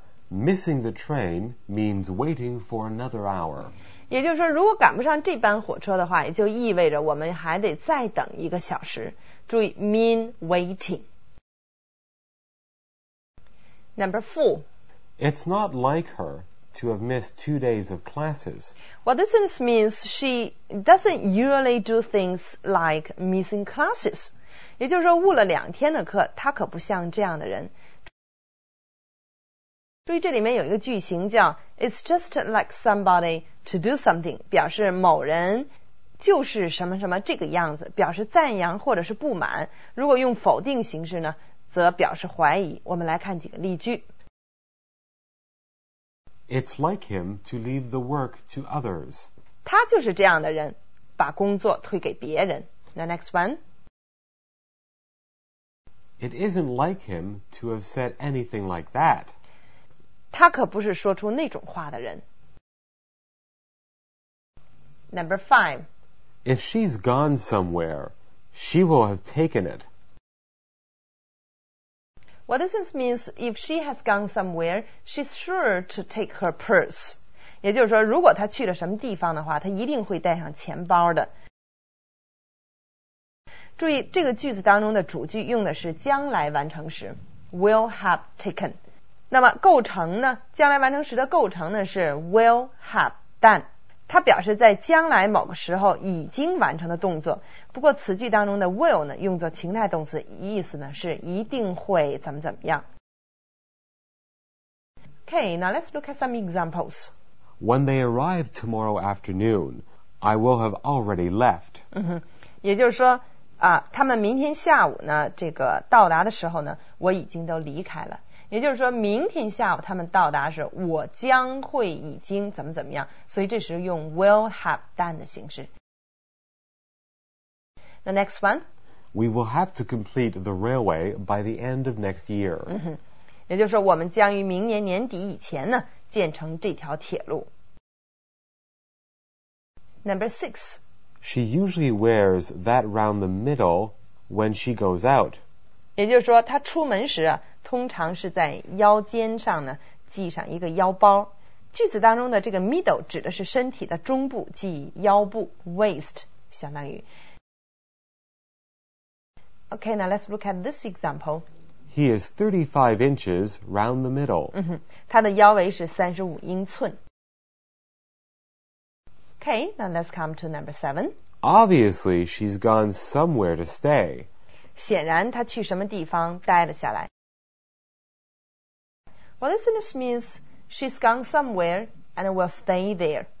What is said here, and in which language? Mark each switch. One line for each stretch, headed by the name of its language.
English: Missing the train means waiting for another hour.
Chinese: 也就是说，如果赶不上这班火车的话，也就意味着我们还得再等一个小时。注意
English: mean waiting。 Number four. It's not like her to have missed 2 days of classes. Well, this means she doesn't usually do things like missing classes.
Chinese: 也就是说误了两天的课，她可不像这样的人。注意这里面有一个句型叫
English: It's just like somebody to do something，
Chinese: 表示某人就是什么什么这个样子，表示赞扬或者是不满。如果用否定形式呢，则表示怀疑。我们来看几个例句。
English: It's like him to leave the work to others.
Chinese: 他就是这样的人，把工作推给别人。
English: The next one. It isn't like him to have said anything like that.
Chinese: 他可不是说出那种话的人。
English: Number five. If she's gone somewhere, she will have taken it. Well, this means if she has gone somewhere, she's sure to take her purse.
Chinese: 也就是说，如果她去了什么地方的话，她一定会带上钱包的。注意，这个句子当中的主句用的是将来完成时
English: will have taken。
Chinese: 那么构成呢，将来完成时的构成呢是
English: will have done，
Chinese: 它表示在将来某个时候已经完成的动作。不过词句当中的 will 呢用作情态动词，意思呢是一定会怎么怎么样。
English: OK, now let's look at some examples. When they arrive tomorrow afternoon, I will have already left.
Chinese: 也就是说啊，他们明天下午呢这个到达的时候呢，我已经都离开了。也就是说明天下午他们到达时，我将会已经怎么怎么样，所以这时用
English: will have done
Chinese: 的形式。
English: The next one. We will have to complete the railway by the end of next year.
Chinese: 也就是说我们将于明年年底以前呢建成这条铁路。
English: Number six. She usually wears that round the middle when she goes out.
Chinese: 也就是说她出门时啊通常是在腰间上呢系上一个腰包。句子当中的这个 middle 指的是身体的中部，即腰部 waist 相当于。
English: OK, now let's look at this example. He is 35 inches round the middle.
Chinese: 他的腰围是35英寸。
English: OK, now let's come to number 7. Obviously she's gone somewhere to stay.
Chinese: 显然她去什么地方待了下来。
English: Well, this means she's gone somewhere and will stay there.